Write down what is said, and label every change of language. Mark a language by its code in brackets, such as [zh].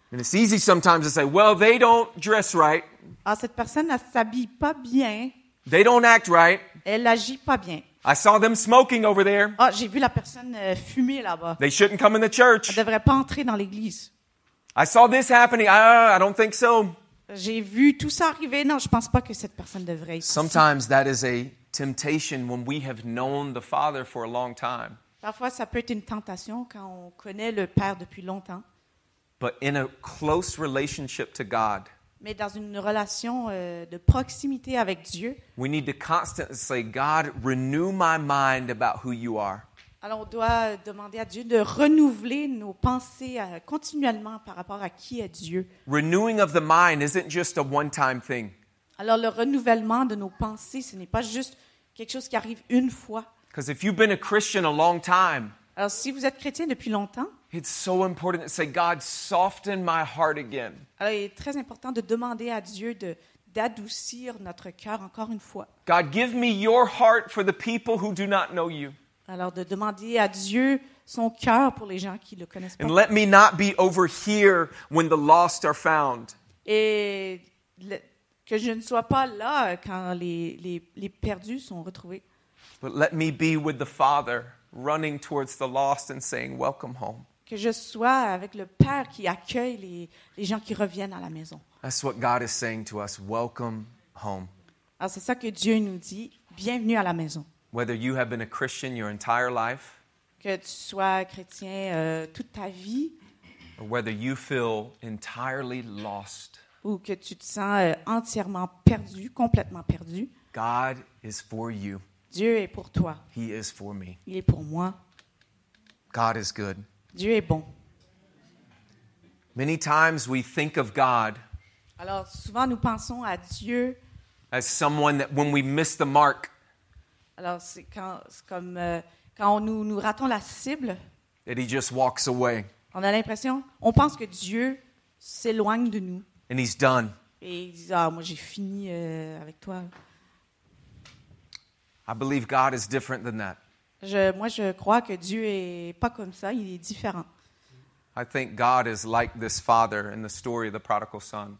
[en] And it's easy sometimes to say, well, they don't dress right. [fr] Ah, cette personne ne s'habille pas bien. [en] They don't act right. [fr] Elle agit pas bien. [en] I saw them smoking over there. [fr] Ah, j'ai vu la personne fumer là-bas. [en] They shouldn't come in the church. [fr] Elle devrait pas entrer dans l'église. [en] I saw this happening. I don't think so. [fr] J'ai vu tout ça arriver. Non, je pense pas que cette personne devrait. [en] Sometimes that is a temptation when we have known the Father for a long time. [fr] Parfois, ça peut être une tentation quand on connaît le Père depuis longtemps. [en] But in a close relationship to God. [fr] Mais dans une relation de proximité avec Dieu. [en] We need to constantly say, God, renew my mind about who you are. [fr] Alors, on doit demander à Dieu de renouveler nos pensées continuellement par rapport à qui est Dieu. [en] Renewing of the mind isn't just a one-time thing. [fr] Alors, le renouvellement de nos pensées, ce n'est pas juste quelque chose qui arrive une fois. [en] Because if you've been a Christian a long time, [fr] alors, si vous êtes chrétien depuis longtemps, [en] it's so important to say, God, soften my heart again. [fr] Alors, il est très important de demander à Dieu d'adoucir notre cœur encore une fois. [en] God, give me your heart for the people who do not know you. [fr] Alors, de demander à Dieu son cœur pour les gens qui ne le connaissent pas. [en] And let me not be over here when the lost are found. [fr] Et que je ne sois pas là quand les perdus sont retrouvés. [en] But let me be with the Father, running towards the lost and saying, welcome home. [fr] Que je sois avec le Père qui accueille les gens qui reviennent à la maison. [en] That's what God is saying to us, welcome home. [fr] Alors, c'est ça que Dieu nous dit, bienvenue à la maison. [en] Whether you have been a Christian your entire life, [fr] que tu sois chrétien toute ta vie, [en] or whether you feel entirely lost, [fr] ou que tu te sens entièrement perdu, complètement perdu, [en] God is for you. [fr] Dieu est pour toi. [en] He is for me. [fr] Il est pour moi. [en] God is good. [fr] Dieu est bon. [en] Many times we think of God. [fr] Alors souvent nous pensons à Dieu. [en] As someone that when we miss the mark. [fr] Alors c'est comme quand nous ratons la cible. [en] That he just walks away. [fr] On a l'impression, on pense que Dieu s'éloigne de nous. [en] And he's done. [fr] Et il dit, ah, moi j'ai fini avec toi. [en] I believe God is different than that. [fr] Je crois que Dieu est pas comme ça, il est différent. [en] I think God is like this father in the story of the prodigal son.